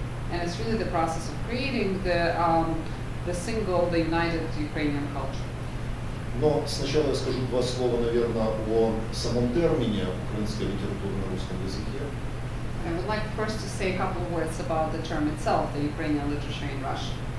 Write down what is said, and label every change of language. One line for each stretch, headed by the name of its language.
English: And it's really the process of creating the single, the united Ukrainian culture.
Russian: Но сначала я скажу два слова, наверное, о самом термине украинской литературы на русском языке.
English: I would like first to say a couple of words about the term itself, the Ukrainian literature in Russian.